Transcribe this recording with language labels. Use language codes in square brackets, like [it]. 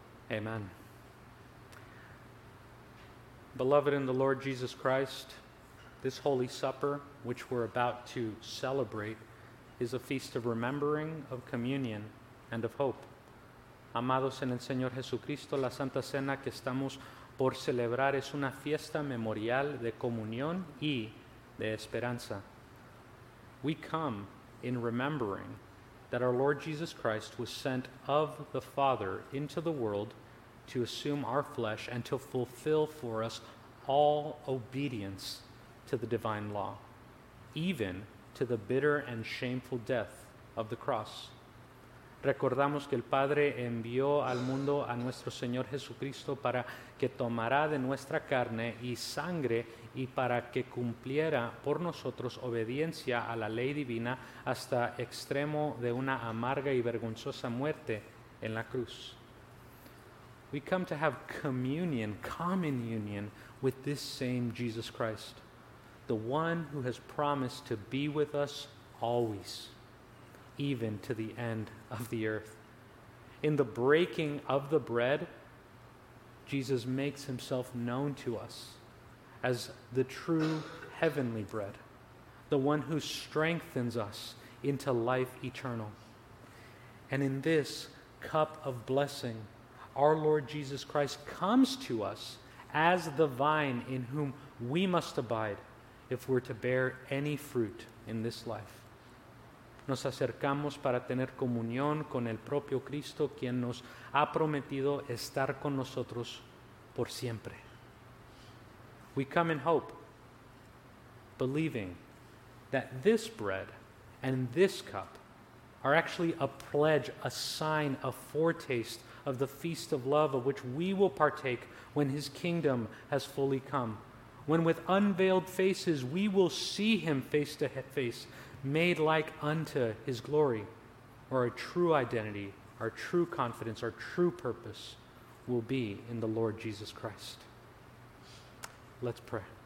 [en] Amen. Amen. Amen. Beloved in the Lord Jesus Christ, this Holy Supper, which we're about to celebrate, is a feast of remembering, of communion, and of hope. [es] Amados en el Señor Jesucristo, la Santa Cena que estamos por celebrar es una fiesta memorial de comunión y de esperanza. [en] We come in remembering that our Lord Jesus Christ was sent of the Father into the world to assume our flesh and to fulfill for us all obedience to the divine law, even to the bitter and shameful death of the cross. [es] Recordamos que el Padre envió al mundo a nuestro Señor Jesucristo para que tomara de nuestra carne y sangre y para que cumpliera por nosotros obediencia a la ley divina hasta extremo de una amarga y vergonzosa muerte en la cruz. [en] We come to have communion, common union, with this same Jesus Christ, the one who has promised to be with us always, even to the end of the earth. In the breaking of the bread, Jesus makes himself known to us as the true heavenly bread, the one who strengthens us into life eternal. And in this cup of blessing, our Lord Jesus Christ comes to us as the vine in whom we must abide if we're to bear any fruit in this life. [es] Nos acercamos para tener comunión con el propio Cristo, quien nos ha prometido estar con nosotros por siempre. [en] We come in hope, believing that this bread and this cup are actually a pledge, a sign, a foretaste of the feast of love of which we will partake when his kingdom has fully come. When with unveiled faces we will see him face to face, made like unto his glory, or our true identity, our true confidence, our true purpose will be in the Lord Jesus Christ. Let's pray.